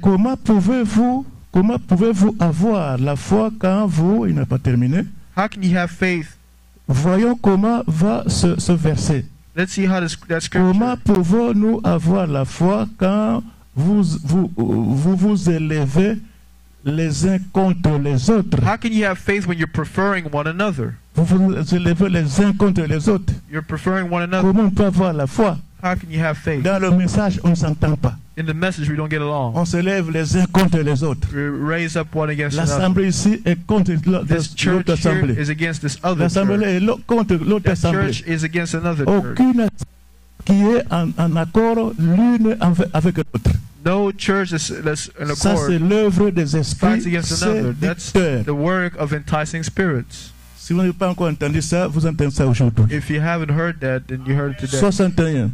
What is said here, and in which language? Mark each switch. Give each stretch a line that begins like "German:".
French: comment pouvez-vous avoir la foi quand vous, il n'a pas terminé.
English: How can you have faith?
French: Voyons comment va ce verset.
English: Let's see how this, that scripture.
French: Comment pouvons-nous avoir la foi quand vous élevez les uns contre les autres?
English: How can you have faith when you're preferring one another?
French: Vous vous élevez les uns contre les autres.
English: You're preferring one another.
French: Comment on peut avoir la foi?
English: How can you have faith?
French: Dans le message, on s'entend pas.
English: In the message, we don't get along.
French: On se lève les uns contre les autres.
English: We raise up one against
French: l'assemblée
English: another.
French: Ici est contre
English: this church
French: assemblée.
English: Is against this other
French: l'assemblée
English: church.
French: L'assemblée est contre l'autre
English: the
French: assemblée.
English: Church is against another
French: aucune
English: church.
French: Qui est en accord l'une avec l'autre.
English: No church is less in accord.
French: Ça c'est l'œuvre des esprits.
English: Fights against another. That's the work of enticing spirits.
French: Si vous n'avez pas encore entendu ça, vous entendez ça aujourd'hui.
English: If you haven't heard that, then you heard it today.